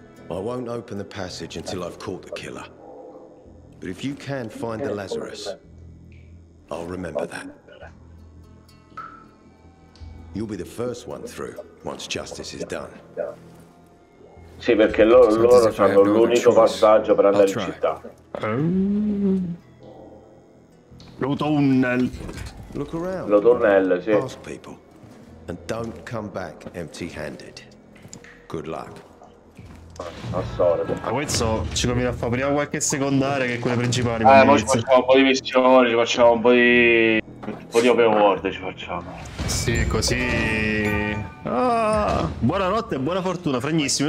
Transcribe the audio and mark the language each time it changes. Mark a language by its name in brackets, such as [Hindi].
[English] I won't open the passage until I've caught the killer. But if you can find the Lazarus, I'll remember that. You'll be the first one through once justice is done. [Italian] Sì, perché loro hanno l'unico passaggio per andare in città. Lo tunnel, sì. [English] Ask people and don't come back empty-handed. Good luck. [Italian] Ma questo ci conviene a fare prima qualche secondaria che quelle principali. Ma ci facciamo un po' di missioni, ci facciamo un po' di open world, ci facciamo. Sì, così. Ah, buonanotte e buona fortuna, fregnissimo.